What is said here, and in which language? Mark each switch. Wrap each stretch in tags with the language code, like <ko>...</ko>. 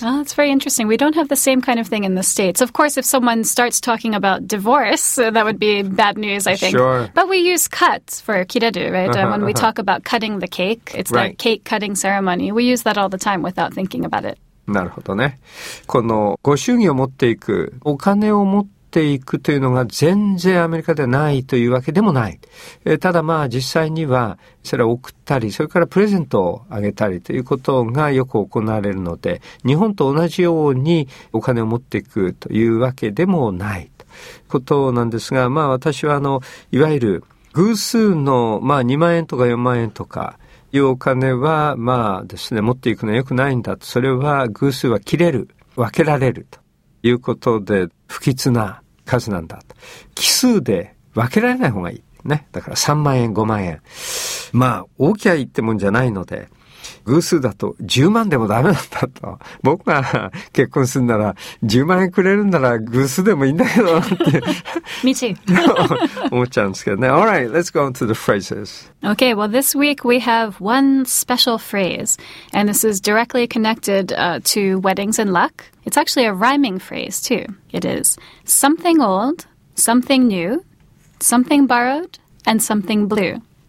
<en>Oh, that's very interesting. We don't have the same kind of thing in the States. Of course, if someone starts talking about divorce, that would be bad news, I think. Sure. But we use cut for kireru, right? When we talk about cutting the cake, it's that cake cutting ceremony. We use that all the time without thinking about it.</en> <ja>なるほどね。このご祝儀を持っていく、お金を持っていくというのが全然アメリカではないというわけでもない。ただまあ実際にはそれを送ったり、それからプレゼントをあげたりということがよく行われるので、日本と同じようにお金を持っていくというわけでもないということなんですが、まあ私はいわゆる偶数のまあ2万円とか4万円とか、いうお金は、まあですね、持っていくのは良くないんだと。それは、偶数は切れる、分けられるということで、不吉な数なんだと。奇数で分けられない方がいい。ね。だから3万円、5万円。まあ、大きゃいいってもんじゃないので、偶数だと10万でもダメなんだと。僕が結婚するなら、10万円くれるなら偶数でもいいんだけど、って。</ja> <en>Me too.</en> <ja>思っちゃうんですけどね。</ja> <en>All right, let's go on to the phrases. Okay, well, this week we have one special phrase, and this is directly connected, to weddings and luck. It's actually a rhyming phrase, too. It is something old, something new, something borrowed, and something blue.</en>